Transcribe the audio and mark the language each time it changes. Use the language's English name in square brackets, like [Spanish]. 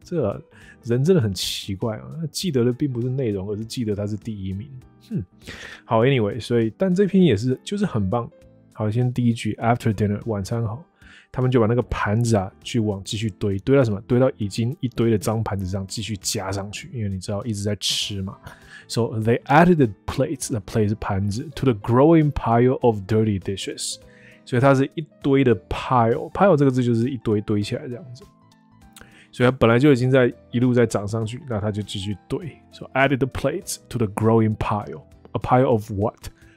[Chinese] 这啊，人真的很奇怪啊！记得的并不是内容，而是记得他是第一名。好 ，anyway， 所以但这篇也是就是很棒。好，先第一句 ， [English] after dinner [Chinese] 晚餐好，他们就把那个盘子啊去往继续堆，堆到什么？堆到已经一堆的脏盘子上继续加上去，因为你知道一直在吃嘛。 [English] So they added the plates, the plates 盘子 to the growing pile of dirty dishes. [Chinese] 所以它是一堆的 pile 这个字就是一堆堆起来这样子。所以它本来就已经在一路在涨上去，那它就继续堆。 [English] So added the plates to the growing pile, a pile of what?